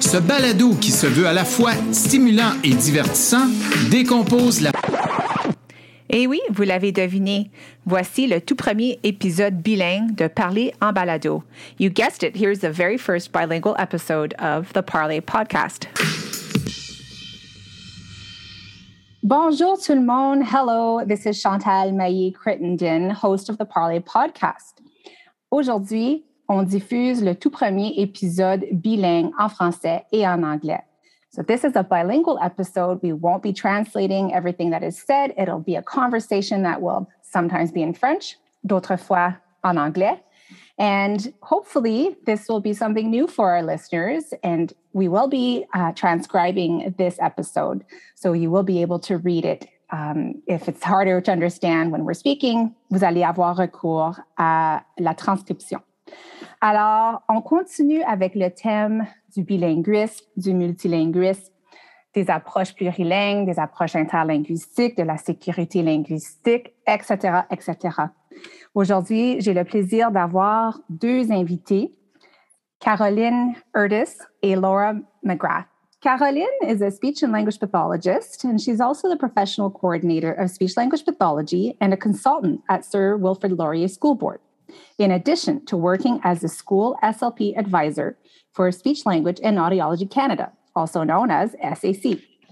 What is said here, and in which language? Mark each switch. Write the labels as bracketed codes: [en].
[fr] Ce balado qui se veut à la fois stimulant et divertissant décompose la... Eh oui, vous l'avez deviné. Voici le tout premier épisode bilingue de Parler en balado. [en] You guessed it, here's the very first bilingual episode of the Parler Podcast. [fr] Bonjour tout le monde. [en] Hello, this is Chantal Maillé-Crittenden, host of the Parler Podcast. [fr] Aujourd'hui, on diffuse le tout premier épisode bilingue en français et en anglais. [en] So this is a bilingual episode. We won't be translating everything that is said. It'll be a conversation that will sometimes be in French, [fr] d'autres fois en anglais. [en] And hopefully this will be something new for our listeners, and we will be transcribing this episode, so you will be able to read it. If it's harder to understand when we're speaking, [fr] vous allez avoir recours à la transcription. Alors, on continue avec le thème du bilinguisme, du multilinguisme, des approches plurilingues, des approches interlinguistiques, de la sécurité linguistique, etc., etc. Aujourd'hui, j'ai le plaisir d'avoir deux invités, Caroline Erdos et Laura MacGrath. [en] Caroline is a speech and language pathologist, and she's also the professional coordinator of speech language pathology and a consultant at Sir Wilfrid Laurier School Board, in addition to working as a school SLP advisor for Speech Language and Audiology Canada, also known as SAC.